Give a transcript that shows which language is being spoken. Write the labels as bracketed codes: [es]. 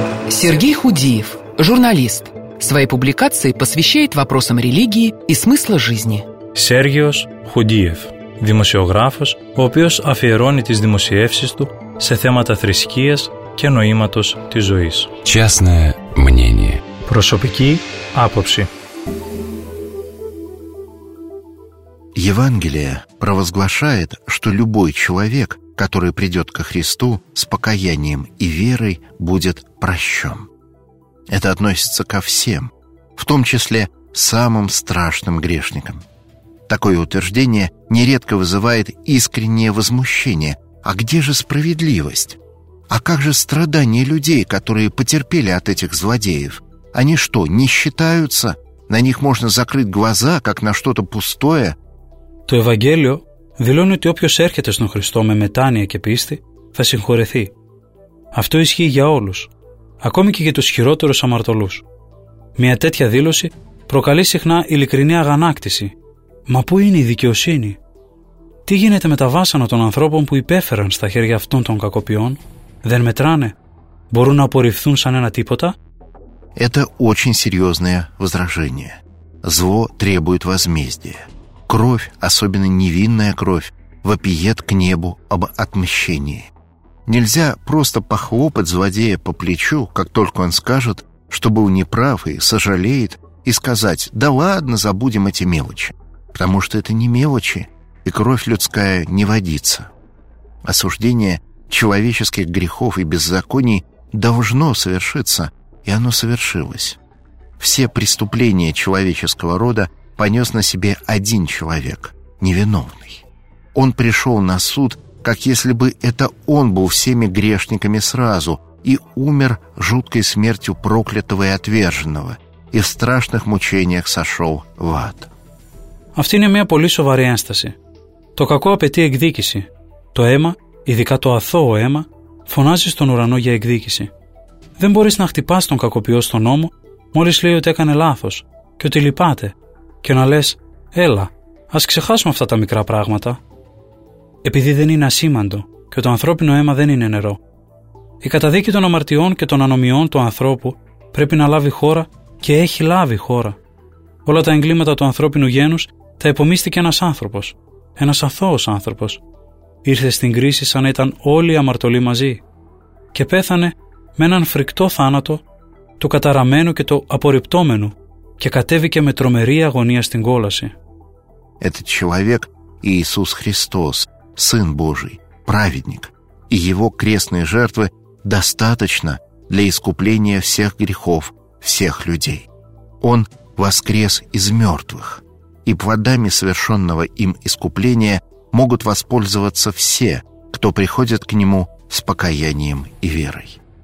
[ru] Сергей Худиев, журналист. Свои публикации посвящает вопросам религии и смысла жизни. [el] Сергиос Худиев, δημοσιογράφος, ο οποίος αφιερώνει τις δημοσιεύσεις του σε θέματα θρησκείας και νοήματος της ζωής. [ru] Частное мнение. [el] Προσωπική άποψη. [ru] Евангелие провозглашает, что любой человек, который придет ко Христу с покаянием и верой, будет прощен. Это относится ко всем, в том числе самым страшным грешникам. Такое утверждение нередко вызывает искреннее возмущение. А где же справедливость? А как же страдания людей, которые потерпели от этих злодеев? Они что, не считаются? На них можно закрыть глаза, как на что-то пустое? [el] Το Ευαγγέλιο δηλώνει ότι όποιος έρχεται στον Χριστό με μετάνοια και πίστη θα συγχωρεθεί. Αυτό ισχύει για όλους, ακόμη και για τους χειρότερους αμαρτωλούς. Μια τέτοια δήλωση προκαλεί συχνά ειλικρινή αγανάκτηση. Μα πού είναι η δικαιοσύνη? Τι γίνεται με τα βάσανα των ανθρώπων που υπέφεραν στα χέρια αυτών των κακοποιών? Δεν μετράνε? Μπορούν να απορριφθούν σαν ένα τίποτα? [ru] Это очень серьезное возражение. Зло требует возмездия. Кровь, особенно невинная кровь, вопиет к небу об отмщении. Нельзя просто похлопать злодея по плечу, как только он скажет, что был неправ и сожалеет, и сказать: «Да ладно, забудем эти мелочи». Потому что это не мелочи, и кровь людская не водится. Осуждение человеческих грехов и беззаконий должно совершиться, и оно совершилось. Все преступления человеческого рода понес на себе один человек, невиновный. Он пришел на суд, как если бы это он был всеми грешниками сразу и умер жуткой смертью проклятого и отверженного и в страшных мучениях сошел в ад. [el] Αυτή είναι μια πολύ σοβαρή ένσταση. Το κακό απαιτεί εκδίκηση. Το αίμα, ειδικά το αθώο αίμα, φωνάζει στον ουρανό για εκδίκηση. Δεν μπορείς να χτυπάς τον κακοποιό στον νόμο μόλις λέει ότι έκανε λάθος και ότι λυπάται, και να λες: «Έλα, ας ξεχάσουμε αυτά τα μικρά πράγματα». Επειδή δεν είναι ασήμαντο και το ανθρώπινο αίμα δεν είναι νερό. Η καταδίκη των αμαρτιών και των ανομιών του ανθρώπου πρέπει να λάβει χώρα και έχει λάβει χώρα. Όλα τα εγκλήματα του ανθρώπινου γένους τα υπομίστηκε ένας άνθρωπος, ένας αθώος άνθρωπος. Ήρθε στην κρίση σαν να ήταν όλοι αμαρτωλοί μαζί και πέθανε με έναν φρικτό θάνατο του καταραμένου και του απορριπτόμενου και κατέβηκε με τρομερή αγωνία στην κόλαση. [ru] Этот человек Иисус Христос, Сын Божий, праведник, и его крестные жертвы достаточно для искупления всех грехов всех людей. Он воскрес из мертвых, и плодами совершенного им искупления могут воспользоваться все, кто приходит к нему с покаянием и верой.